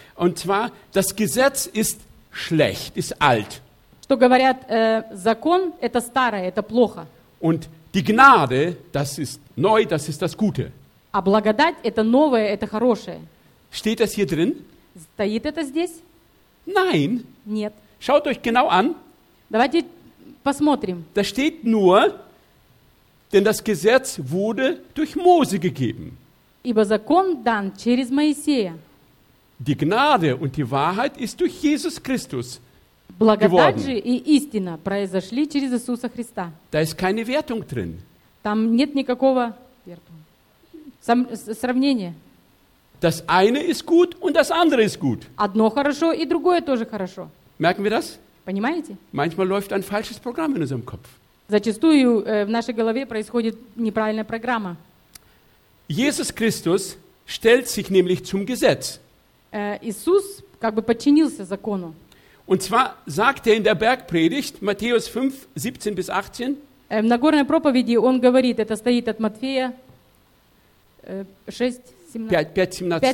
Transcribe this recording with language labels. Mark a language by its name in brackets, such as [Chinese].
[German] Und zwar, das Gesetz ist schlecht, ist alt. [Russian] Что говорят, закон – это старое, это плохо. [German] Und die Gnade, das ist neu, das ist das Gute. [Russian] А благодать – это новое, это хорошее. [German] Steht das hier drin? [Russian] Стоит это здесь? [German] Nein. [Russian] Нет. [German] Schaut euch genau an. [Russian] Давайте посмотрим. [German] Da steht nur, denn das Gesetz wurde durch Mose gegeben. [Russian] Ибо закон дан через Моисея. [German] Die Gnade und die Wahrheit ist durch Jesus Christus [Russian] благодать [German] geworden. [Russian] Благодать же и истина произошли через Иисуса Христа. [German] Da ist keine Wertung drin. [Russian] Там нет никакого сравнения. [German] Das eine ist gut und das andere ist gut. [Russian] Одно хорошо и другое тоже хорошо. [German] Merken wir das? [Russian] Понимаете? [German] Manchmal läuft ein falsches Programm in unserem Kopf. [Russian] Зачастую в нашей голове происходит неправильная программа. [German] Jesus Christus stellt sich nämlich zum Gesetz. [Russian] Иисус как бы подчинился закону. [German] Und zwar sagt in der Bergpredigt, Matthäus 5, 17 bis 18, [Russian] в Нагорной проповеди он говорит, это стоит от Матфея 5, 17.